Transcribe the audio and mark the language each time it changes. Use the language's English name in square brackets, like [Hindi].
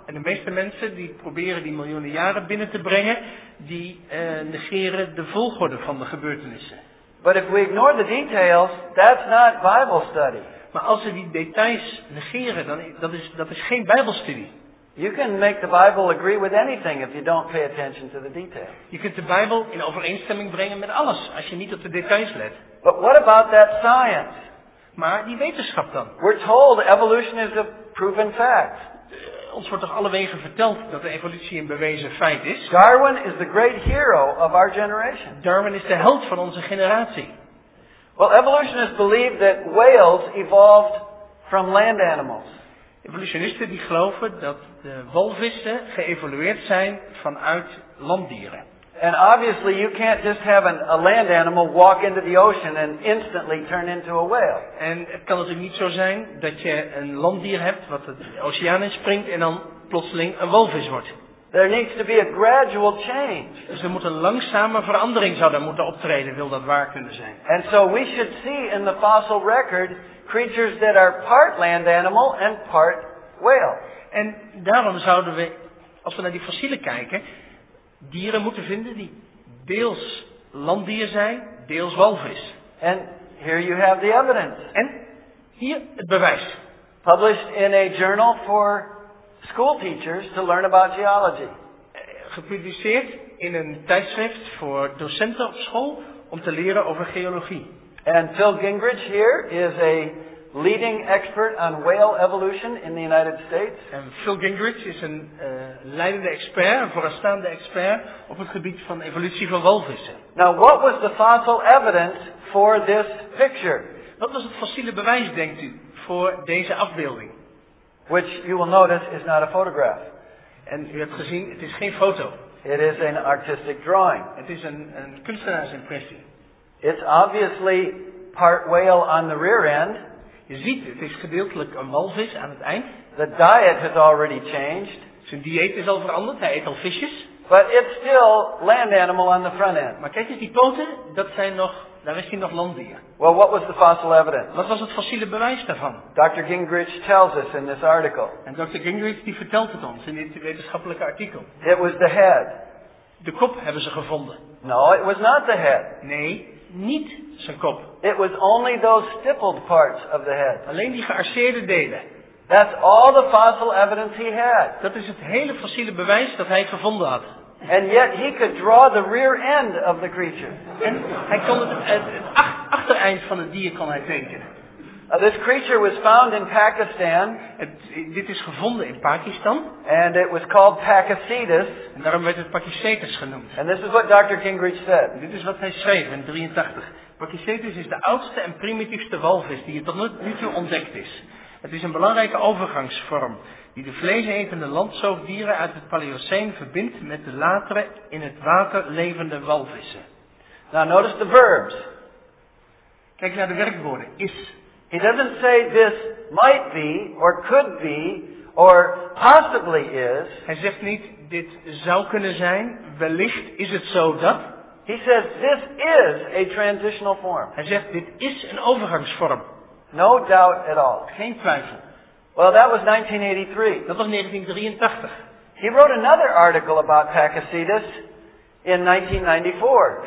[Dutch] En de meeste mensen die proberen die miljoenen jaren binnen te brengen, die negeren de volgorde van de gebeurtenissen. [English] But if we ignore the details, that's not Bible study. [Dutch] Maar als we die details negeren, dan dat is geen Bijbelstudie. [English] You can make the Bible agree with anything if you don't pay attention to the details. [Dutch] Je kunt de Bijbel in overeenstemming brengen met alles als je niet op de details let. [English] But what about that science? [Dutch] Maar die wetenschap dan? [English] We're told evolution is a proven fact. [Dutch] Ons wordt toch alle wegen verteld dat de evolutie een bewezen feit is. [English] Darwin is the great hero of our generation. [Dutch] Darwin is de held van onze generatie. [English] Well, evolutionists believe that whales evolved from land animals. [Dutch] Evolutionisten die geloven dat de walvissen geëvolueerd zijn vanuit landdieren. [English] And obviously you can't just have a land animal walk into the ocean and instantly turn into a whale. [Dutch] En het kan natuurlijk niet zo zijn dat je een landdier hebt wat het oceaan inspringt en dan plotseling een walvis wordt. [English] There needs to be a gradual change. [Dutch] Dus er moet een langzame verandering zou daar moeten optreden, wil dat waar kunnen zijn. [English] And so we should see in the fossil record creatures that are part land animal and part whale. [Dutch] En daarom zouden we, als we naar die fossielen kijken, dieren moeten vinden die deels landdier zijn, deels walvis. [English] And here you have the evidence. [Dutch] En hier het bewijs. [English] Published in a journal for school teachers to learn about geology. [Dutch] Gepubliceerd in een tijdschrift voor docenten op school om te leren over geologie. [English] And Phil Gingrich here is a leading expert on whale evolution in the United States. [Dutch] En Phil Gingrich is een leidende expert, een vooraanstaande expert op het gebied van evolutie van walvissen. [English] Now, what was the fossil evidence for this picture? [Dutch] Wat was het fossiele bewijs, denkt u, voor deze afbeelding? [English] Which you will notice is not a photograph. [Dutch] En u hebt gezien, het is geen foto. [English] It is an artistic drawing. [Dutch] Het is een kunstenaarsimpressie. [English] It's obviously part whale on the rear end. [Dutch] Je ziet, het is gedeeltelijk een walvis aan het eind. [English] The diet has already changed. [Dutch] Zijn dieet is al veranderd, hij eet al visjes. [English] But it's still land animal on the front end. [Dutch] Maar kijk eens, die poten, dat zijn nog, daar is hij nog landdier. [English] Well, what was the fossil evidence? [Dutch] Wat was het fossiele bewijs daarvan? [English] Dr. Gingrich tells us in this article. [Dutch] En Dr. Gingrich die vertelt het ons in dit wetenschappelijke artikel. [English] It was the head. [Dutch] De kop hebben ze gevonden. [English] No, it was not the head. [Dutch] Nee, niet zijn kop. [English] It was only those stippled parts of the head. [Dutch] Alleen die gearceerde delen. [English] That's all the fossil evidence he had. [Dutch] Dat is het hele fossiele bewijs dat hij gevonden had. [English] And yet he could draw the rear end of the creature. [Dutch] En hij kon het achtereind van het dier kon hij tekenen. [English] This creature was found in Pakistan. [Dutch] Dit is gevonden in Pakistan. [English] And it was called Pachycetus. [Dutch] En daarom werd het Pachycetus genoemd. [English] And this is what Dr. Gingrich said. [Dutch] Dit is wat hij schreef in 83. Pachycetus is de oudste en primitiefste walvis die tot nu toe ontdekt is. Het is een belangrijke overgangsvorm die de vleesetende landzoogdieren uit het Paleoceen verbindt met de latere in het water levende walvissen. [English] Now notice the verbs. [Dutch] Kijk naar de werkwoorden. [English] Is. He doesn't say this might be, or could be, or possibly is. [Dutch] Hij zegt niet, dit zou kunnen zijn, wellicht is het zo dat. [English] He says, this is a transitional form. [Dutch] Hij zegt, dit is een overgangsvorm. [English] No doubt at all. [Dutch] Geen twijfel. [English] Well, that was 1983. [Dutch] Dat was 1983. [English] He wrote another article about Pachycetus in 1994.